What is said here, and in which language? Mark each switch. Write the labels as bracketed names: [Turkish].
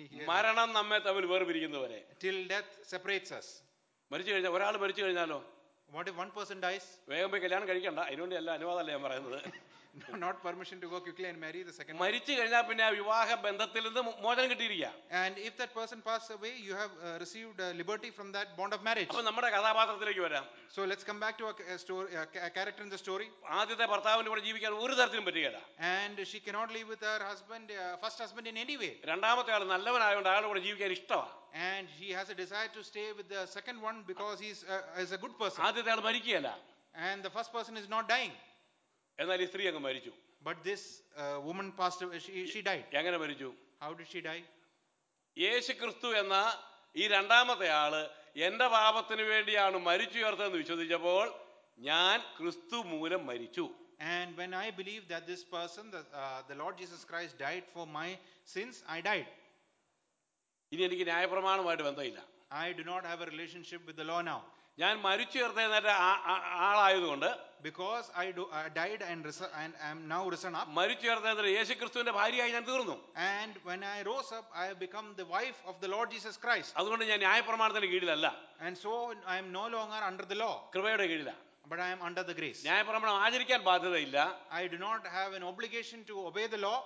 [Malayalam] മരണം നമ്മെ തമ്മിൽ വേർപിരിക്കുന്നത് വരെ. [English] Till death separates us. [Malayalam] മരിച്ചു കഴിഞ്ഞാൽ, ഒരാൾ മരിച്ചു കഴിഞ്ഞാലോ? [English] What if one person dies? [Malayalam] വേഗം പോയി കല്യാണം കഴിക്കണ്ട, അതിനുവേണ്ടി അല്ല അനുവാദമല്ല ഞാൻ പറയുന്നത്. [English] Not permission to go quickly and marry the second. [Malayalam] മരിച്ചു കഴിഞ്ഞാൽ പിന്നെ വിവാഹ ബന്ധത്തിൽ നിന്ന് മോചനം കിട്ടിയിരിക്കാം. [English] And if that person passes away, you have received liberty from that bond of marriage. [Malayalam] അപ്പോൾ നമ്മുടെ കഥാപാത്രത്തിലേക്ക് വരാം. [English] So let's come back to a character in the story. [Malayalam] ആദ്യത്തെ ഭർത്താവിന്റെ കൂടെ ജീവിക്കാൻ ഒരു തരത്തിലും പറ്റുകയില്ല. [English] And she cannot live with her first husband in any way. [Malayalam] രണ്ടാമത്തെ ആൾ നല്ലവൻ ആയതുകൊണ്ട് അയാളുടെ കൂടെ ജീവിക്കാൻ ഇഷ്ടമാണ്. [English] And she has a desire to stay with the second one because he is a good person. [Malayalam] ആദ്യത്തെ ആൾ മരിക്കുകയില്ല. [English] And the first person is not dying. [Malayalam] എന്നാൽ ഈ സ്ത്രീ അങ്ങ് മരിച്ചു. [English] But this woman passed away. She died. [Malayalam] എങ്ങനെ മരിച്ചു? [English] How did she die? [Malayalam] യേശു ക്രിസ്തു എന്ന ഈ രണ്ടാമത്തെ ആള് എന്റെ പാപത്തിന് വേണ്ടിയാണ് മരിച്ചുയർത്തതെന്ന് വിശ്വസിച്ചപ്പോൾ ഞാൻ ക്രിസ്തു മൂലം മരിച്ചു. [English] And when I believed that this person, the Lord Jesus Christ, died for my sins, I died. [Malayalam] ഇനി എനിക്ക് ന്യായപ്രമാണവുമായിട്ട് ബന്ധമില്ല. [English] I do not have a relationship with the law now. [Malayalam] ഞാൻ മരിച്ചുയർത്തെഴുന്നേറ്റ ആളായതുകൊണ്ട്, [English] because I died and I am now risen up, [Malayalam] മരിച്ചുയർത്തെഴുന്നേറ്റ് യേശുക്രിസ്തുവിന്റെ ഭാര്യയായി ഞാൻ തീർന്നു. [English] And when I rose up I have become the wife of the Lord Jesus Christ. [Malayalam] അതുകൊണ്ട് ഞാൻ ന്യായപ്രമാണത്തിന്റെ കീഴിലല്ല. [English] and so I am no longer under the law, [Malayalam] കൃപയുടെ കീഴിലാ. [English] But I am under the grace. [Malayalam] ന്യായപ്രമാണം ആചരിക്കാൻ ബാധ്യതയില്ല. [English] I do not have an obligation to obey the law.